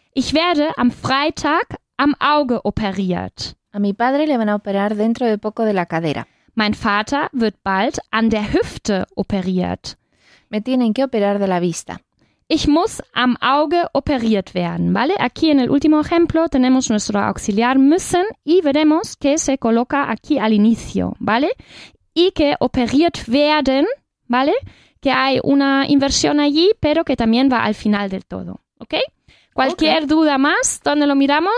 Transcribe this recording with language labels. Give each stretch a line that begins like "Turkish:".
German: Ich werde am Freitag am Auge operiert.
Spanish: A mi padre le van a operar dentro de poco de la cadera.
German: Mein Vater wird bald an der Hüfte operiert.
Spanish: Me tienen que operar de la vista.
German: Ich muss am Auge operiert werden, ¿vale?
Spanish: Aquí en el último ejemplo tenemos nuestro auxiliar müssen y veremos que se coloca aquí al inicio, ¿vale? Y que operiert werden, ¿vale? Que hay una inversión allí, pero que también va al final del todo, ¿ok? Cualquier duda más, ¿dónde lo miramos?